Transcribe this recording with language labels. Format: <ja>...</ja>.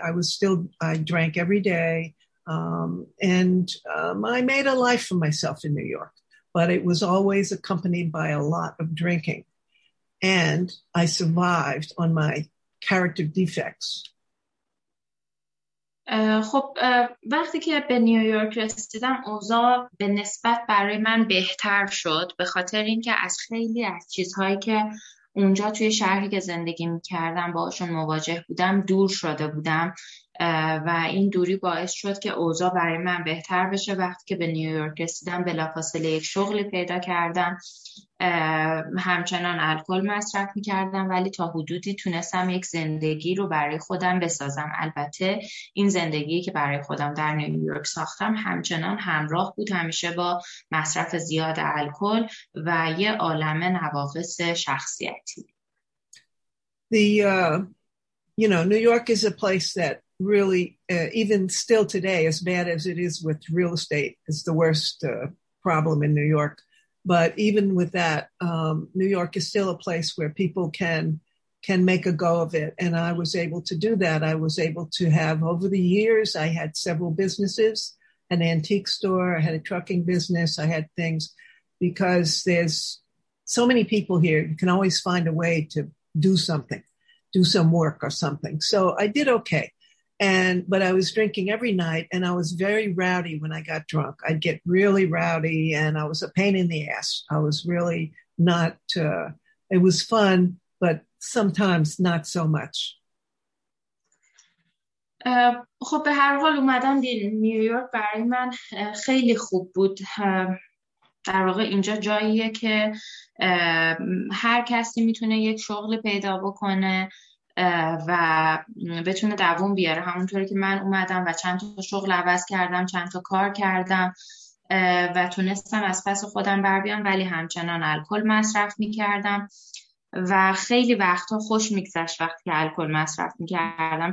<en>I drank every day. I made a life for myself in New York, but it was always accompanied by a lot of drinking. And I survived on my character defects.</en> <fa>خب وقتی که به نیویورک رسیدم اوضاع به نسبت برای من بهتر شد به خاطر اینکه از خیلی از چیزهایی که اونجا توی شهری که زندگی میکردم باهاشون مواجه بودم دور شده بودم و این دوری باعث شد که اوضاع برای من بهتر بشه. وقتی که به نیویورک رسیدم بلافاصله یک شغلی پیدا کردم. همچنان الکل مصرف میکردم ولی تا حدودی تونستم یک زندگی رو برای خودم بسازم. البته این زندگی که برای خودم در نیویورک ساختم همچنان همراه بود همیشه با مصرف زیاد الکل و یه عالمه نواقص شخصیتی.</fa> <en>New York is a place that really, even still today, as bad as it is with real estate, is the worst problem in New York. But even with that, New York is still a place where people can make a go of it. And I was able to do that. I was able to have, over the years, I had several businesses, an antique store, I had a trucking business, I had things, because there's so many people here, you can always find a way to do something, do some work or something. So I did okay. But I was drinking every night, and I was very rowdy when I got drunk. I'd get really rowdy, and I was a pain in the ass. I was really not, it was fun, but sometimes not so much.</en> <fa>خب به هر حال اومدن نیویورک برای من خیلی خوب بود. در واقع اینجا جاییه که هر کسی میتونه یک شغل پیدا بکنه و بتونه دووم بیاره، همونطوری که من اومدم و چند تا شغل عوض کردم، چند تا کار کردم و تونستم از پس خودم بر بیام، ولی همچنان الکل مصرف میکردم و خیلی وقتا خوش میگذشت وقتی که الکل مصرف میکردم.</fa>